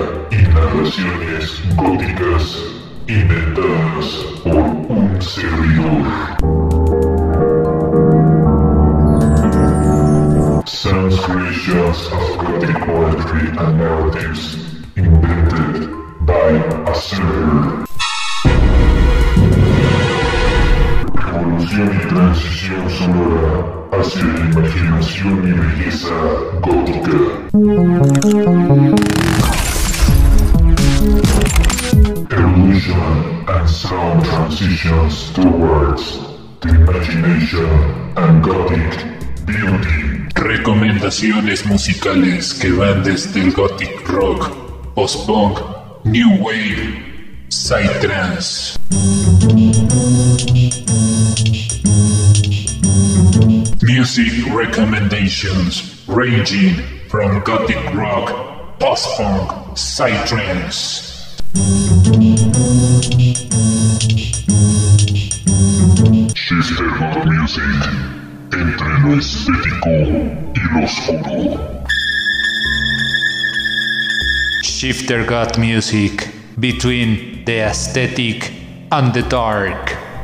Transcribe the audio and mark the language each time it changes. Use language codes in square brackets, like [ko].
[es] Y narraciones góticas inventadas por un servidor. [en] Sounds creations of gothic poetry and narratives invented by a server. [es] Revolución y transición sonora hacia la imaginación y belleza gótica. [en] And sound transitions towards the imagination and gothic beauty. [es] Recomendaciones musicales que van desde el gothic rock, post-punk, new wave, psytrance. [en] Music recommendations ranging from gothic rock, post-punk, psytrance. [es] Shifter God Music, entre lo estético y lo oscuro. [en] Shifter God Music, between the aesthetic and the dark.